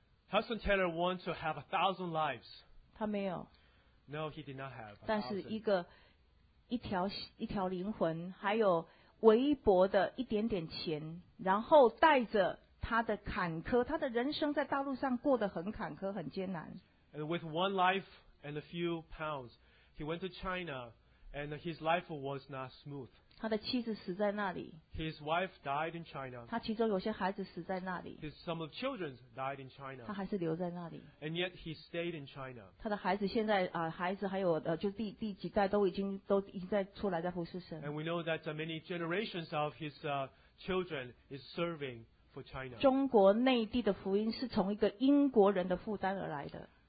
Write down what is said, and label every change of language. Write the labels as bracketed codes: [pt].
[en] Hudson Taylor wants to have 1,000 lives. [zh] 他没有。 [en] No, he did not have. [zh] 但是一条灵魂，还有微薄的一点点钱，然后带着他的坎坷，他的人生在大陆上过得很坎坷，很艰难。 [en] And with one life and a few pounds, he went to China, and his life was not smooth. [zh] 他的妻子死在那里, [en] his wife died in China. [zh] 他其中有些孩子死在那里, [en] some of the children died in China. [zh] 他还是留在那里, [en] and yet he stayed in China. [zh] 他的孩子现在, 孩子还有就第几代都已经在出来在服侍神。 [en] And we know that many generations of his children is serving for China. [zh] 中国内地的福音是从一个英国人的负担而来的。